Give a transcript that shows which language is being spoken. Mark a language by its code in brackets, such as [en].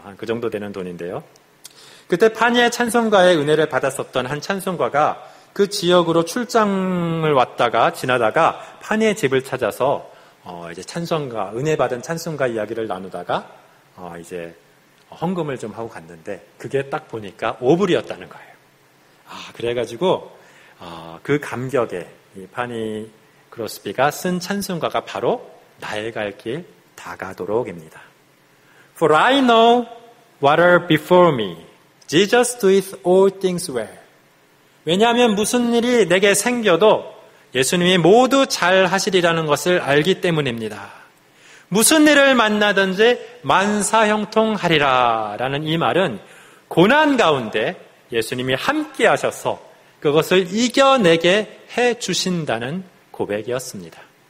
[ko] 한 그 정도 되는 돈인데요. 그때 파니의 찬송가에 은혜를 받았었던 한 찬송가가 그 지역으로 출장을 왔다가 지나다가 파니의 집을 찾아서 이제 찬송가 은혜 받은 찬송가 이야기를 나누다가 이제 헌금을 좀 하고 갔는데 그게 딱 보니까 오불이었다는 거예요. 아 그래가지고 그 감격에 이 파니 크로스비가 쓴 찬송가가 바로 나의 갈 길 다가도록입니다. [en] For I know what are before me. Jesus doeth all things well. [ko] 왜냐하면 무슨 일이 내게 생겨도 예수님이 모두 잘 하시리라는 것을 알기 때문입니다. 무슨 일을 만나든지 만사형통하리라 라는 이 말은 고난 가운데 예수님이 함께 하셔서 그것을 이겨내게 해주신다는 고백이었습니다.